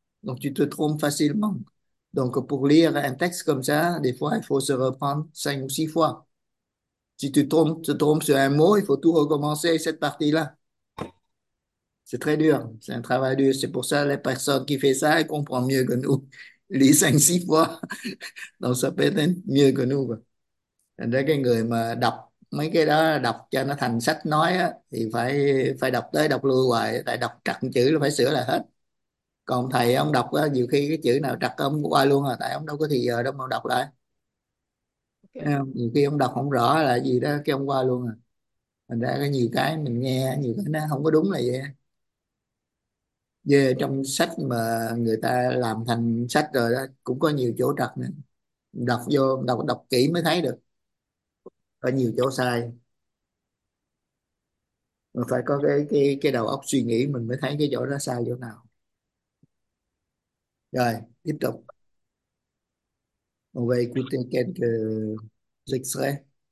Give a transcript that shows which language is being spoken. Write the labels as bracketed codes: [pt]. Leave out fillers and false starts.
[fr] Donc, tu te trompes facilement. Donc, pour lire un texte comme ça, des fois, il faut se reprendre 5 ou 6 fois. Si tu te trompes sur un mot, il faut tout recommencer cette partie-là. C'est très dur, c'est un travail dur. C'est pour ça que les personnes qui font ça, elles comprennent mieux que nous. lui 5 6 fois, đâu sao biết đến như của nu rồi. [vi] Thành ra cái người mà đọc mấy cái đó, đọc cho nó thành sách nói á, thì phải phải đọc tới đọc lui hoài, tại đọc trật chữ là phải sửa lại hết. Còn thầy ông đọc á, nhiều khi cái chữ nào trật ông qua luôn rồi, tại ông đâu có thời giờ đâu mà đọc lại. Nhiều khi ông đọc không rõ là gì đó cái ông qua luôn rồi. Thành ra có nhiều cái mình nghe, nhiều cái nó không có đúng là vậy. Về trong sách mà người ta làm thành sách rồi đó, cũng có nhiều chỗ trật nữa. Đọc vô, đọc đọc kỹ mới thấy được. Có nhiều chỗ sai. Mà phải có cái đầu óc suy nghĩ mình mới thấy cái chỗ đó sai chỗ nào. Rồi, tiếp tục. [fr] On va écouter quelques extraits.